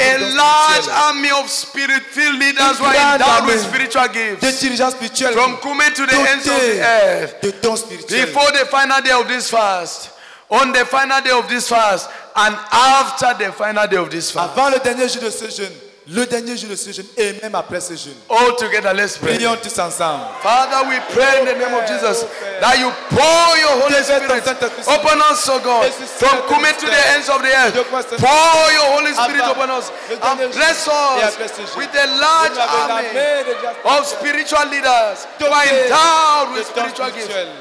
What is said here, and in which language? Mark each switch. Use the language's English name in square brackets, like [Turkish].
[English] A large army of spirit-filled leaders who are endowed with spiritual gifts. [French] De dirigeants spirituels. [English] From Koumé to the ends of the earth. [French] De dons spirituels. [English] Before the final day of this fast. On the final day of this fast. And after the final day of this fast. [French] Avant le dernier jour de ce jeûne, le dernier jour de ce jeûne, et même après ce jeûne. [English] All together, let's pray. [French] Prions tous ensemble. [English] Father, we pray in the name of Jesus that you pour your Holy Spirit upon us, oh God, from Koumé to the ends of the earth. Pour your Holy Spirit upon us and bless us with a large army of spiritual leaders who are endowed with spiritual gifts.